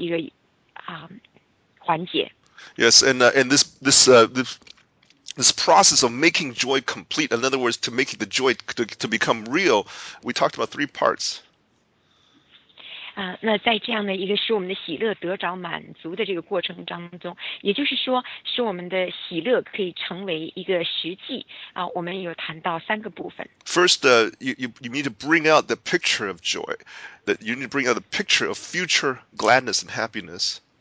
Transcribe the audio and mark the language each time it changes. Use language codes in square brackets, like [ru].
[zh] 上个礼拜我们有谈到，当保罗在说到说是他的喜乐可以满足的时候，这个满足怎么样是在这样一个领导力方面可以成为一个最基本的一个环节。 [en] Yes, and this process of making joy complete, in other words, to make the joy to become real, we talked about three parts. [zh] 那在这样的一个使我们的喜乐得着满足的这个过程当中，也就是说，使我们的喜乐可以成为一个实际。我们有谈到三个部分。 [en] First, you need to bring out the picture of joy. That you need to bring out the picture of future gladness and happiness.